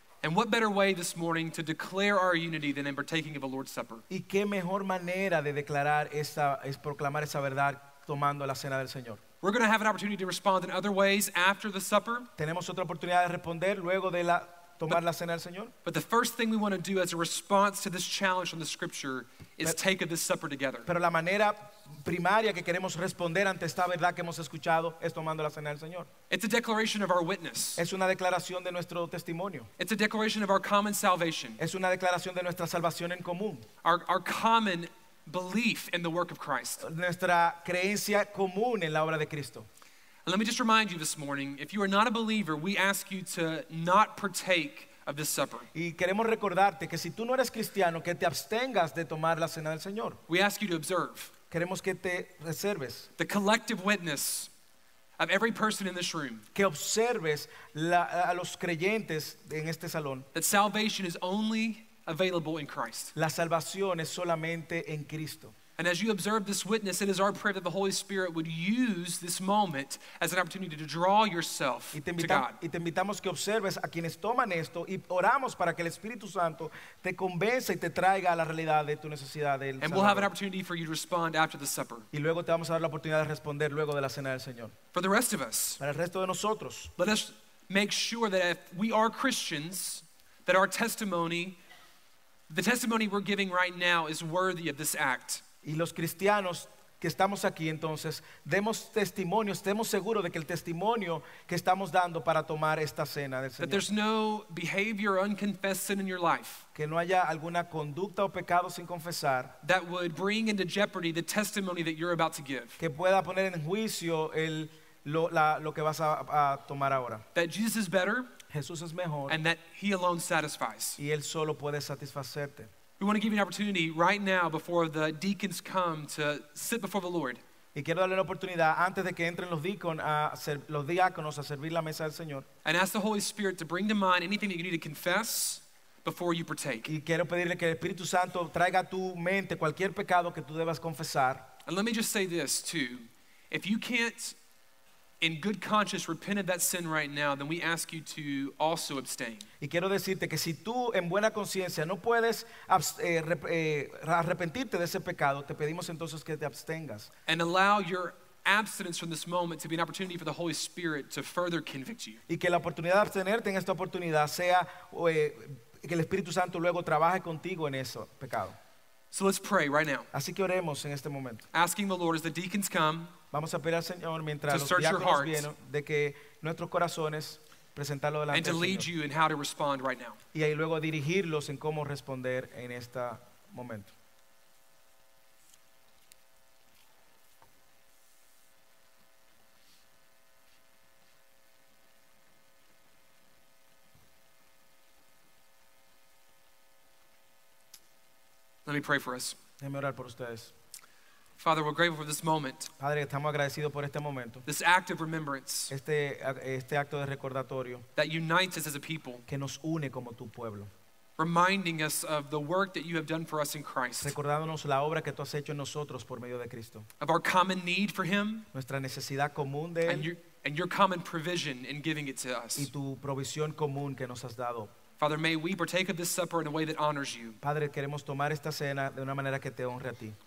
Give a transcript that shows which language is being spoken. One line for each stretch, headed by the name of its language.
English: And what better way this morning to declare our unity than in partaking of the Lord's Supper?
Spanish: ¿Y qué mejor manera de declarar esta es proclamar esa verdad tomando la cena del Señor?
English: We're going to have an opportunity to respond in other ways after the supper.
Spanish: Tenemos otra oportunidad de responder luego de la tomar la cena del Señor.
English: But the first thing we want to do as a response to this challenge from the scripture is take of this supper together.
Spanish: Pero la manera primaria que queremos responder ante esta verdad que hemos escuchado es tomando la cena del Señor.
English: It's a declaration of our witness.
Spanish: Es una declaración de nuestro testimonio.
English: It's a declaration of our common salvation.
Spanish: Es una declaración de nuestra salvación en común.
English: Our common belief in the work of Christ.
Spanish: Nuestra creencia común en la obra de Cristo.
English: And let me just remind you this morning, if you are not a believer, we ask you to not partake of this supper.
Spanish: Y queremos recordarte que si tú no eres cristiano, que te abstengas de tomar la cena del Señor.
English: We ask you to observe.
Spanish: Queremos que te reserves.
English: The collective witness of every person in this room.
Spanish: Que observes a los creyentes en este salón.
English: That salvation is only available in Christ.
Spanish: La salvación es solamente en Cristo.
English: And as you observe this witness, it is our prayer that the Holy Spirit would use this moment as an opportunity to draw yourself to God.
Spanish: Y te invitamos que observes a quienes toman esto y oramos para que el Espíritu Santo te convenza y te traiga a la realidad de tu necesidad del Salvador.
English: And we'll have an opportunity for you to respond after the supper.
Spanish: Y luego te vamos a dar la oportunidad de responder luego de la cena del Señor.
English: For the rest of us,
Spanish: para el resto de nosotros,
English: let us make sure that if we are Christians, that our testimony, the testimony we're giving right now, is worthy of this act.
Spanish: Y los cristianos que estamos aquí entonces, demos testimonio, estemos seguros de que el testimonio que estamos dando para tomar esta cena del Señor.
English: That there's no behavior or unconfessed sin in your life.
Spanish: Que no haya alguna conducta o pecado sin confesar.
English: That would bring into jeopardy the testimony that you're about to give.
Spanish: Que pueda poner en juicio lo que vas a tomar ahora.
English: That Jesus is better.
Spanish: Jesús es mejor.
English: And that he alone satisfies.
Spanish: Y él solo puede satisfacerte.
English: We want to give you an opportunity right now before the deacons come to sit before the Lord.
Spanish: Y quiero darle una oportunidad antes de que entren los diáconos a servir la mesa del Señor.
English: And ask the Holy Spirit to bring to mind anything that you need to confess before you partake.
Spanish: Y quiero pedirle que el Espíritu Santo traiga a tu mente cualquier pecado que tú debas confesar.
English: And let me just say this too. If you can't in good conscience repent of that sin right now, then we ask you to also abstain.
Spanish: Y quiero decirte que si tú en buena conciencia no puedes arrepentirte de ese pecado, te pedimos entonces que te abstengas.
English: And allow your abstinence from this moment to be an opportunity for the Holy Spirit to further convict you.
Spanish: Y que la oportunidad de abstenerte en esta oportunidad sea que el Espíritu Santo luego trabaje contigo en ese pecado.
English: So let's pray right now.
Spanish: Así que oremos en este momento.
English: Asking the Lord as the deacons come.
Spanish: Vamos a pedir al Señor mientras los diáconos vienen de que nuestros corazones presentarlo delante del Señor.
English: Right,
Spanish: y ahí luego dirigirlos en cómo responder en este momento.
English: Let me pray for us.
Spanish: Déjeme orar por ustedes.
English: Father, we're grateful for this moment.
Spanish: Padre, estamos agradecidos por este momento.
English: This act of remembrance.
Spanish: Este acto de recordatorio.
English: That unites us as a people.
Spanish: Que nos une como tu pueblo.
English: Reminding us of the work that you have done for us in Christ.
Spanish: Recordándonos la obra que tú has hecho en nosotros por medio de Cristo.
English: Of our common need for him.
Spanish: Nuestra necesidad común de él.
English: And your common provision in giving it to us.
Spanish: Y tu provisión común que nos has dado
English: Father, may we partake of this supper in a way that honors you.
Spanish: Padre, queremos tomar esta cena de una manera que te honre a ti.